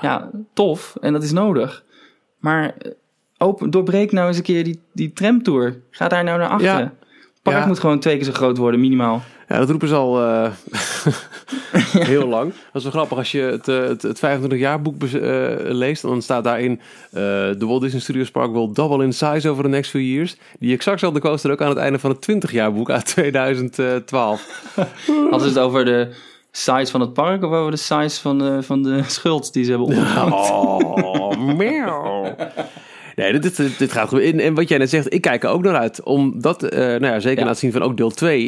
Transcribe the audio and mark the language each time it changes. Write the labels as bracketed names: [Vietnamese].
[Dutch] ja, tof. En dat is nodig. Maar doorbreek nou eens een keer die tramtour. Ga daar nou naar achteren. Ja. Park moet gewoon twee keer zo groot worden, minimaal. Ja, dat roepen ze al heel lang. Dat is wel grappig. Als je het 25-jaarboek leest, dan staat daarin... [English] The Walt Disney Studios Park will double in size over the next few years. [Dutch] Die exact zelfde coaster ook aan het einde van het 20-jaarboek uit 2012. Als het over de size van het park of over de size van de schuld die ze hebben opgehaald. Oh, meow. Nee, dit gaat goed. En wat jij net zegt, ik kijk er ook naar uit. Om dat, zeker na het zien van ook deel 2.